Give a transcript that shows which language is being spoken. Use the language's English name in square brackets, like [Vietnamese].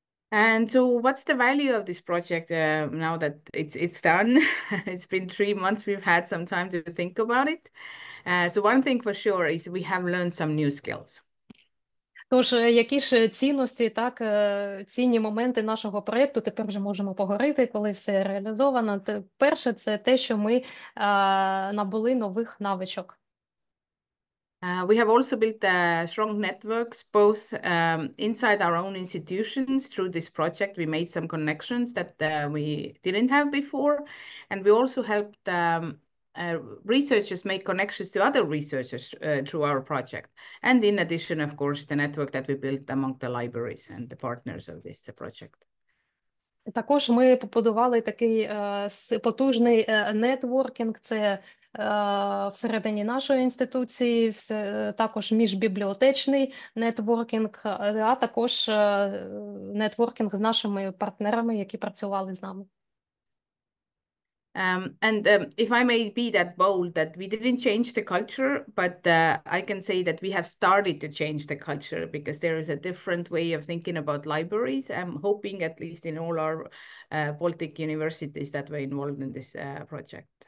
[English] And so what's the value of this project now that it's done? It's been 3 months, we've had some time to think about it. So one thing for sure is we have learned some new skills. [Ukrainian] Тож, які ж цінності, так, цінні моменти нашого проєкту, тепер вже можемо поговорити, коли все реалізовано. Перше, це те, що ми набули нових навичок. [English] We have also built strong networks, both inside our own institutions. Through this project, we made some connections that we didn't have before. And we also helped researchers make connections to other researchers through our project. And in addition, of course, the network that we built among the libraries and the partners of this project. [Ukrainian] Також ми побудували такий потужний нетворкінг, це всередині нашої інституції, також міжбібліотечний нетворкінг, а також нетворкінг з нашими партнерами, які працювали з нами. [English] If I may be that bold, that we didn't change the culture, but I can say that we have started to change the culture, because there is a different way of thinking about libraries. I'm hoping, at least in all our Baltic universities that were involved in this project.